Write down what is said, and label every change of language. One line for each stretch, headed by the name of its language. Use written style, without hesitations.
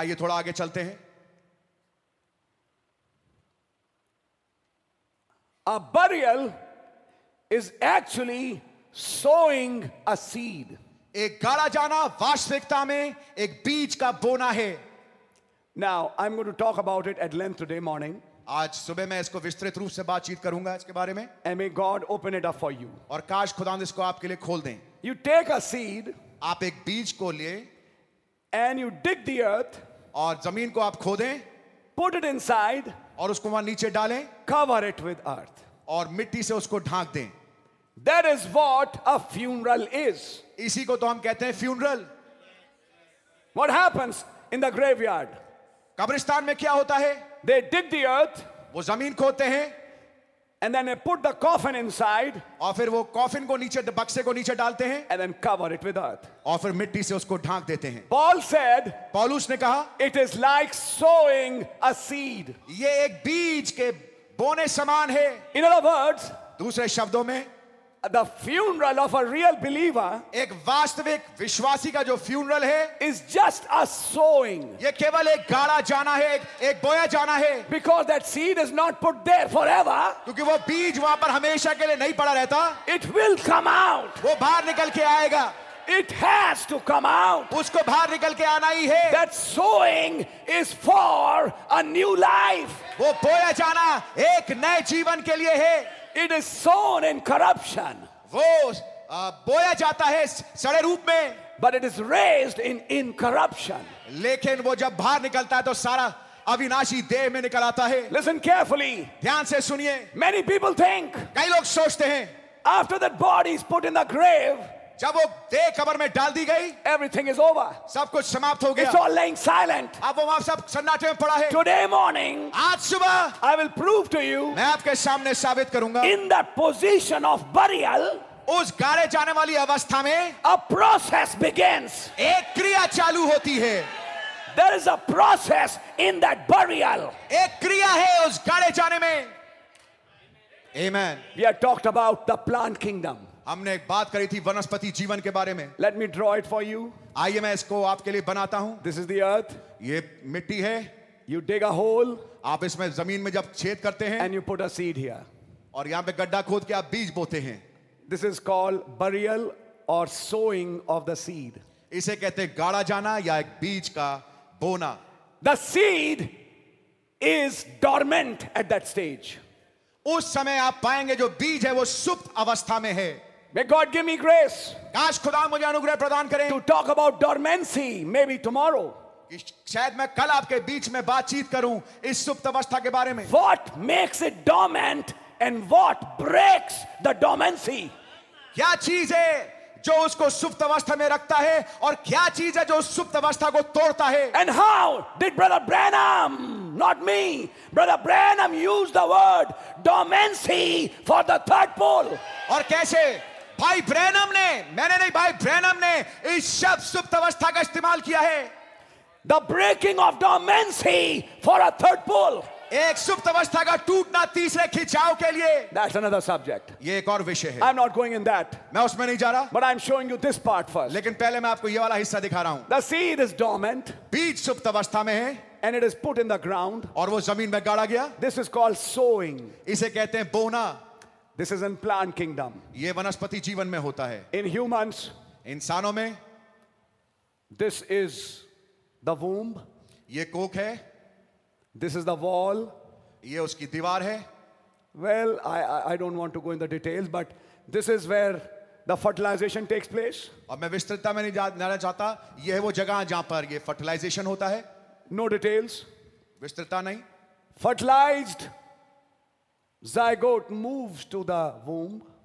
Hindi: आइए थोड़ा आगे चलते हैं
English: a burial is actually sowing a seed
Hindi: एक गाड़ा जाना वास्तविकता में एक बीज का बोना है
English: Now, I'm going to talk about it at length today morning.
Hindi: आज सुबह मैं इसको विस्तृत रूप से बातचीत करूंगा इसके बारे में
English: And may God open it up for you.
Hindi: और काश खुदा इसको आपके लिए खोल दें
English: You take a seed.
Hindi: आप एक बीज को लिए
English: And you dig the earth.
Hindi: और जमीन को आप खोदें
English: Put it inside.
Hindi: और उसको वहां नीचे डालें
English: Cover it with earth.
Hindi: और मिट्टी से उसको ढांक दें
English: That is what a funeral is.
Hindi: इसी को तो हम कहते हैं funeral.
English: What happens in the graveyard?
Hindi: कब्रिस्तान में क्या होता है?
English: They dig the earth.
Hindi: वो जमीन खोदते हैं.
English: And then they put the coffin inside.
Hindi: और फिर वो coffin को नीचे बक्से को नीचे डालते हैं.
English: And then cover it with earth.
Hindi: और फिर मिट्टी से उसको ढांक देते हैं.
English: Paul said.
Hindi: पौलुस ने कहा.
English: It is like sowing a seed.
Hindi: ये एक बीज के बोने समान है.
English: In other words.
Hindi: दूसरे शब्दों में.
English: The funeral of a real believer
Hindi: एक वास्तविक विश्वासी का जो funeral है
English: is just a sowing
Hindi: ये केवल एक गाड़ा जाना है एक बोया जाना है
English: because that seed is not put there forever
Hindi: क्योंकि वो बीज वहां पर हमेशा के लिए नहीं पड़ा रहता
English: it will come out
Hindi: वो बाहर निकल के आएगा
English: it has to come out
Hindi: उसको बाहर निकल के आना ही है
English: that sowing is for a new life
Hindi: वो बोया जाना एक नए जीवन के लिए है
English: It is sown in corruption.
Hindi: वो बोया जाता है सड़े रूप में.
English: But it is raised in incorruption.
Hindi: लेकिन वो जब बाहर निकलता है तो सारा अविनाशी देह में निकल आता है.
English: Listen carefully.
Hindi: ध्यान से सुनिए.
English: Many people think.
Hindi: कई लोग सोचते हैं.
English: After that body is put in the grave.
Hindi: जब वो देह कब्र में डाल दी गई,
English: everything is over.
Hindi: सब कुछ समाप्त हो गया.
English: It's all laying silent.
Hindi: अब वो वहाँ सब सन्नाटे में पड़ा है.
English: Today morning,
Hindi: आज सुबह,
English: I will prove to you.
Hindi: मैं आपके सामने साबित करूँगा.
English: In that position of burial,
Hindi: उस गाड़े जाने वाली अवस्था में,
English: a process begins.
Hindi: एक क्रिया चालू होती है.
English: There is a process in that burial.
Hindi: एक क्रिया है उस गाड़े जाने में.
English: Amen. We have talked about the plant kingdom.
Hindi: हमने एक बात करी थी वनस्पति जीवन के बारे में.
English: Let me draw it for you.
Hindi: आइए मैं इसको आपके लिए बनाता हूं.
English: This is the earth.
Hindi: ये मिट्टी है.
English: You dig a hole.
Hindi: आप इसमें जमीन में जब छेद करते हैं.
English: And you put a seed here.
Hindi: और यहां पे गड्ढा खोद के आप बीज बोते हैं.
English: This is called burial or sowing of the seed.
Hindi: इसे कहते हैं गाड़ा जाना या एक बीज का बोना.
English: The seed is dormant at that stage.
Hindi: उस समय आप पाएंगे जो बीज है वो सुप्त अवस्था में है.
English: May God give me grace.
Hindi: काश खुदा मुझे अनुग्रह प्रदान करें.
English: To talk about dormancy, maybe tomorrow.
Hindi: शायद मैं कल आपके बीच में बातचीत करूं इस सुप्त अवस्था के बारे में.
English: What makes it dormant and what breaks the dormancy?
Hindi: क्या चीज है जो उसको सुप्त अवस्था में रखता है और क्या चीज है जो उस सुप्त अवस्था को तोड़ता है.
English: And how did Brother Branham, not me, Brother Branham used the word dormancy for the third pole?
Hindi: और कैसे भाई ब्रैनम ने, मैंने नहीं, भाई ब्रैनम ने इस शब्द सुप्त अवस्था का इस्तेमाल किया है.
English: The breaking of dormancy for a third pole.
Hindi: एक सुप्त अवस्था का टूटना तीसरे खिंचाव के लिए.
English: That's another subject.
Hindi: ये एक और विषय है.
English: I'm not going in that.
Hindi: मैं उसमें नहीं जा रहा.
English: But I'm showing you this part first.
Hindi: लेकिन पहले मैं आपको ये वाला हिस्सा दिखा रहा हूं.
English: The seed is dormant.
Hindi: बीज सुप्त अवस्था में है.
English: And it is put in the ground.
Hindi: और वो जमीन में गाड़ा गया.
English: This is called sowing.
Hindi: इसे कहते हैं बोना.
English: This is in plant kingdom.
Hindi: ये वनस्पति जीवन में होता है.
English: In humans,
Hindi: इंसानों में,
English: this is the womb.
Hindi: ये कोख है.
English: This is the wall.
Hindi: ये उसकी दीवार है.
English: Well, I don't want to go in the details, but this is where the fertilization takes place.
Hindi: और मैं विस्तृतता में नहीं जाना चाहता. ये है वो जगह जहाँ पर ये fertilization होता है.
English: No details.
Hindi: विस्तृतता नहीं.
English: Fertilized zygote moves to the womb.